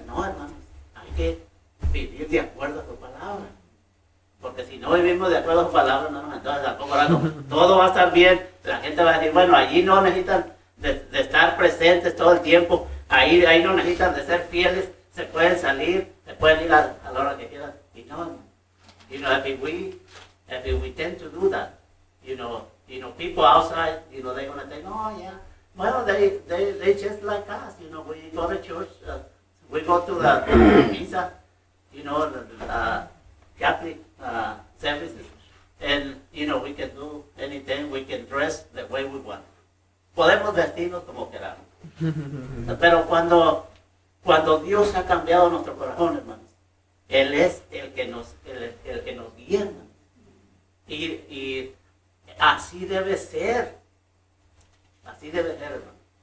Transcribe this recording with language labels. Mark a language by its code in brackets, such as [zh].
[es] No, hermanos, hay que vivir de acuerdo a tu palabra. Porque si no vivimos de acuerdo a tu palabra, no, entonces tampoco, ¿no? Todo va a estar bien, la gente va a decir, bueno, allí no necesitan de estar presentes todo el tiempo, ahí no necesitan de ser fieles, se pueden salir. Pueden ir a la hora que quieran. Y no, [en] you know, if we tend to do that, you know, people outside, you know, they're going to think, oh, yeah. Well, they just like us, you know, we go to church, we go to the Misa, you know, the Catholic services, and, you know, we can do anything, we can dress the way we want. [es] Podemos vestirnos como queramos. Pero cuando Dios ha cambiado nuestro corazón, hermanos, Él es el que nos guía, y así debe ser. Así debe ser, hermano.